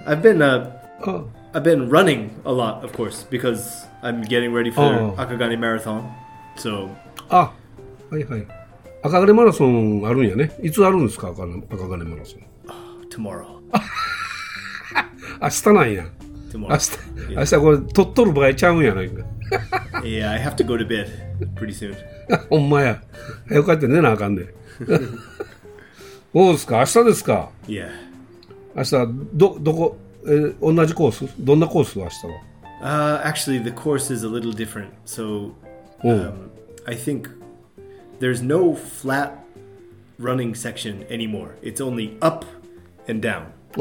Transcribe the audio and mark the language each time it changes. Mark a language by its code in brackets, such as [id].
[en] I've been running a lot, of course, because I'm getting ready for Akagane Marathon. So, ah, hi, hi. [ja] 赤金マラソンあるんやね。いつあるんですか、赤金マラソン。 [en] Tomorrow. [ja] 明日なんや。 [en] Tomorrow. [ja] 明日、yeah. 明日これ撮っとる場合ちゃうんやないか。 [en] Yeah, I have to go to bed pretty soon. [ja] ほんまや。よかったね、なあかんで。どうですか、明日ですか。 [en] Yeah. [ja] 明日、どこ、同じコース、どんなコース明日は。 [en] Actually, the course is a little different. So, I think there's no flat running section anymore. It's only up and down.